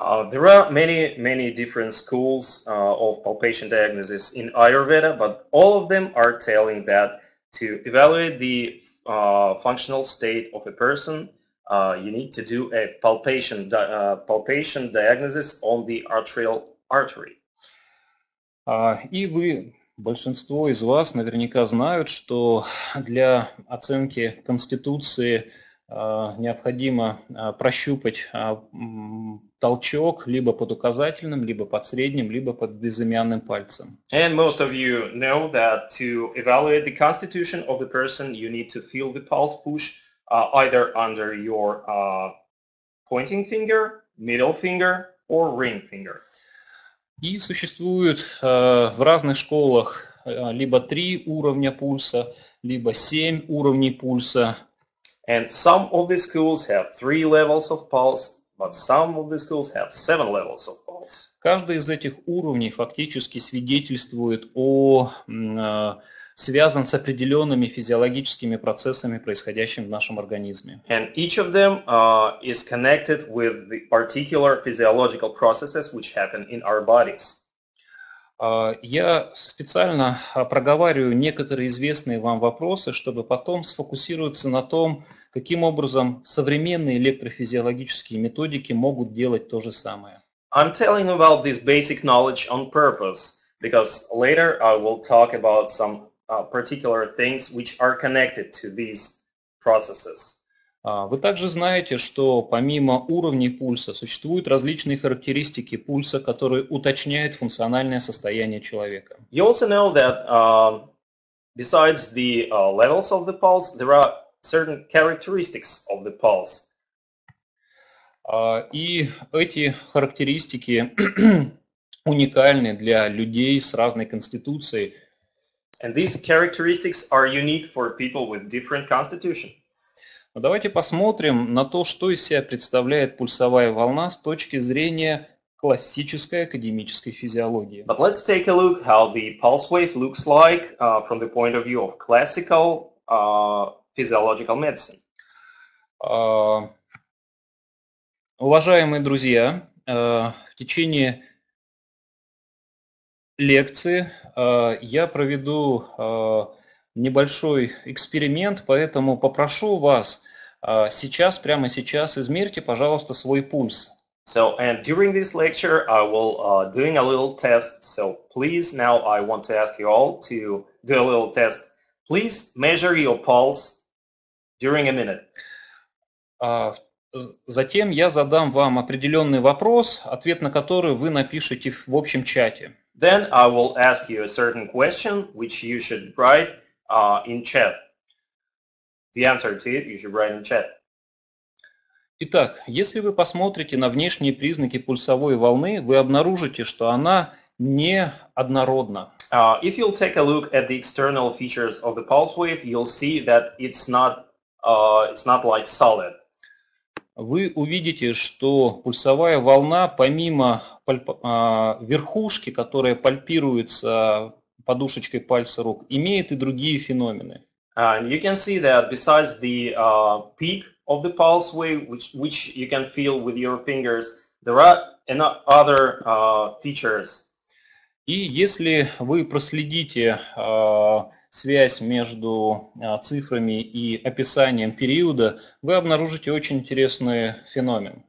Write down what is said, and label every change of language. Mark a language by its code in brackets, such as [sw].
[en] There are many different schools of palpation diagnosis in Ayurveda, but all of them are telling that to evaluate the functional state of a person, you need to do a palpation diagnosis on the arterial artery. [ru] И вы, большинство из вас, наверняка знают, что для оценки конституции необходимо прощупать толчок либо под указательным, либо под средним, либо под безымянным пальцем. [en] And most of you know that to evaluate the constitution of the person, you need to feel the pulse push either under your pointing finger, middle finger, or ring finger. [ru] И существует в разных школах либо 3 уровня пульса, либо 7 уровней пульса. [en] And some of the schools have 3 levels of pulse, but some of the schools have 7 levels of pulse. [ru] Каждый из этих уровней фактически свидетельствует о связан с определенными физиологическими процессами, происходящими в нашем организме. [en] And each of them is connected with the particular physiological processes which happen in our bodies. [ru] Я специально проговариваю некоторые известные вам вопросы, чтобы потом сфокусироваться на том, каким образом современные электрофизиологические методики могут делать то же самое. [en] I'm telling about this basic knowledge on purpose, because later I will talk about some particular things which are connected to these processes. [ru] Вы также знаете, что помимо уровней пульса существуют различные характеристики пульса, которые уточняют функциональное состояние человека. [en] You also know that besides the levels of the pulse, there are certain characteristics of the pulse. [ru] И эти характеристики уникальны для людей с разной конституцией. [en] And these characteristics are unique for people with different constitution. [ru] Но давайте посмотрим на то, что из себя представляет пульсовая волна с точки зрения классической академической физиологии. [en] But let's take a look how the pulse wave looks like from the point of view of classical physiological medicine. [ru] Уважаемые друзья, в течение лекции я проведу небольшой эксперимент, поэтому попрошу вас сейчас, прямо сейчас, измерьте, пожалуйста, свой пульс. [en] So, and during this lecture, I will doing a little test. So, please, now I want to ask you all to do a little test. Please measure your pulse during a minute. [ru] Затем я задам вам определенный вопрос, ответ на который вы напишете в общем чате. [en] Then I will ask you a certain question, which you should write in chat. The answer to it you should write in chat. [ru] Итак, если вы посмотрите на внешние признаки пульсовой волны, вы обнаружите, что она неоднородна. [en] If you'll take a look at the external features of the pulse wave, you'll see that it's not like solid. [ru] Вы увидите, что пульсовая волна, помимо верхушки, которая пальпируется подушечкой пальца рук, имеет и другие феномены. [en] And you can see that besides the peak of the pulse wave, which you can feel with your fingers, there are other features. [ru] И если вы проследите связь между цифрами и описанием периода, вы обнаружите очень интересный феномен.